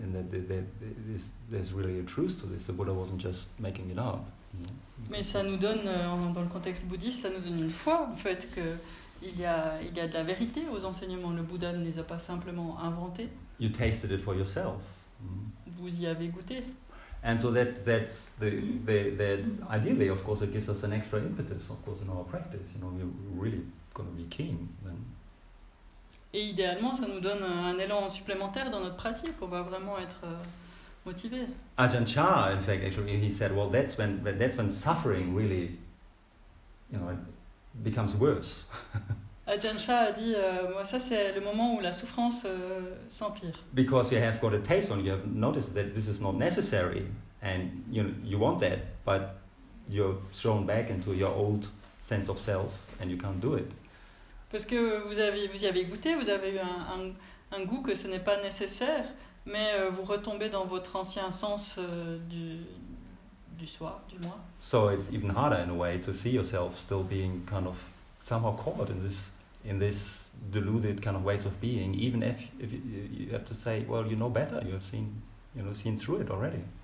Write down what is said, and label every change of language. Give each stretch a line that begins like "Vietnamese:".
English: And that there's really a truth to this. The Buddha wasn't just making it up. You know?
French: Mais ça nous donne, dans le contexte bouddhiste, ça nous donne une foi, en fait, que il y a de la vérité aux enseignements. Le Bouddha ne les a pas simplement inventés.
English: You tasted it for yourself.
French: Vous y avez goûté.
English: And so that's ideally, of course, it gives us an extra impetus, of course, in our practice. You know, we're really going to be keen then.
French: Et idéalement, ça nous donne un élan supplémentaire dans notre pratique. On va vraiment être motivé.
English: Ajahn Chah, in fact, actually, he said, well, that's when suffering really, you know, it becomes worse.
French: Ajahn Chah a dit, moi, ça c'est le moment où la souffrance s'empire.
English: Because you have got a taste on, you have noticed that this is not necessary, and you know, you want that, but you're thrown back into your old sense of self, and you can't do it.
French: Parce que vous y avez goûté, vous avez eu un goût que ce n'est pas nécessaire, mais vous retombez dans votre ancien sens du soi, du moi.
English: So it's even harder in a way to see yourself still being kind of somehow caught in this deluded kind of ways of being, even if you have to say, well, you know better, you have seen through it already.